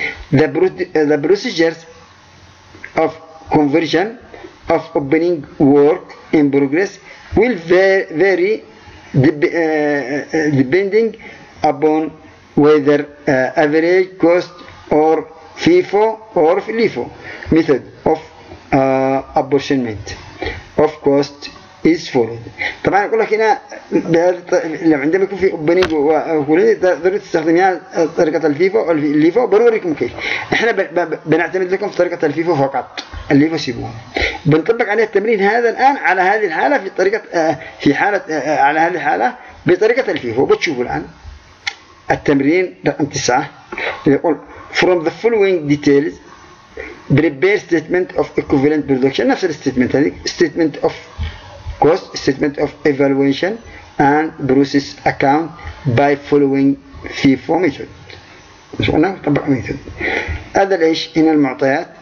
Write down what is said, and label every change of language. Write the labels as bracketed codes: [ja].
[en] The procedures of conversion of opening work in progress will vary depending upon whether average cost or FIFO or LIFO method of apportionment of cost is followed. [ar] طبعا اقول لك هنا لو عندما يكون في opening وكلين ضروري تستخدمها طريقة الفيفو او الليفو بنوريكم كيف. احنا بنعتمد لكم في طريقة الفيفو فقط الليفو سيبوه بنطبق عليه التمرين هذا الان على هذه الحالة في طريقة في حالة على هذه الحالة بطريقة الفيفو. بتشوفوا الان التمرين رقم 9 يقول [en] from the following details prepare statement of equivalent production نفس الستيتمنت هذه statement of cost statement of evaluation and process account by following FIFO method. [ar] شو قلنا طبق method هذا ليش هنا المعطيات